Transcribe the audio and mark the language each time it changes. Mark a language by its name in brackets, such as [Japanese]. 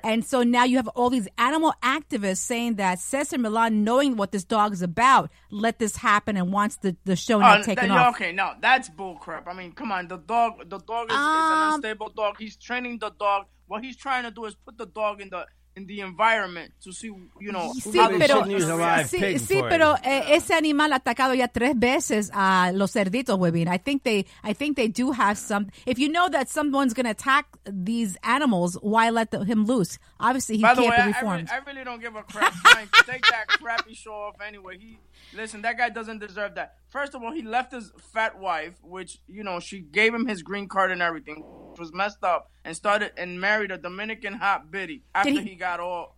[English] And so now you have all these animal activists saying that César Milán, knowing what this dog is about, let this happen and wants the show not taken off. Okay, no, that's bullcrap. I mean, come on. The dog is an unstable dog. He's training the dog. What he's trying to do is put the dog in the... in the environment to see, you know, [Spanish] sí, pero, pero ese animal ha atacado ya tres veces a los cerditos, Webin. [English] I think they do have some. If you know that someone's going to attack these animals, why let him loose? Obviously, he can't be reformed. I really don't give a crap. Take that crappy show off anyway. Listen, that guy doesn't deserve that. First of all, he left his fat wife, which, you know, she gave him his green card and everything, which was messed up, and started and married a Dominican hot biddy after he got all...